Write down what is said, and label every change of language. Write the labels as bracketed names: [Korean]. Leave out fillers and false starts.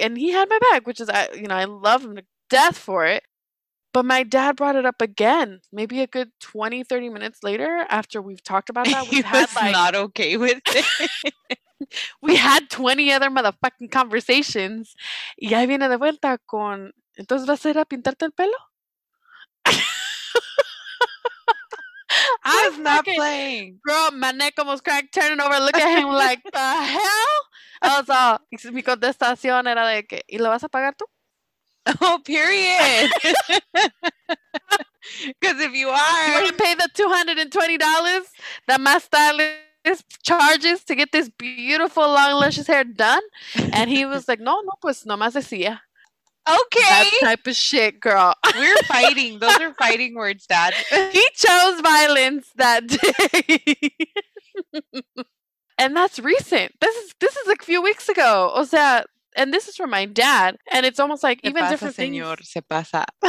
[English] And he had my back, which is, you know, I love him to death for it. But my dad brought it up again, maybe a good 20, 30 minutes later after we've talked about that. Not okay with it. We had 20 other motherfucking conversations. [Spanish] Y ahí viene de vuelta con, ¿entonces vas a ir a pintarte el pelo? [English] I was not playing. Girl, my neck almost cracked turning over. Look at him like, the hell? I was all, [Spanish] mi contestación era de que, ¿y lo vas a pagar tú? [English] Oh, period. Because if you are, you're going to pay the $220 that my stylist charges to get this beautiful long luscious hair done. And he was like, [Spanish] no, pues nomás decía. [English] Okay. That type of shit, girl. We're fighting. Those are fighting words, Dad. He chose violence that day. And that's recent. This is a few weeks ago. [Spanish] O sea, [English] and this is from my dad, and it's almost like even different [Spanish] señor, [English] things. [Spanish] Se pasa.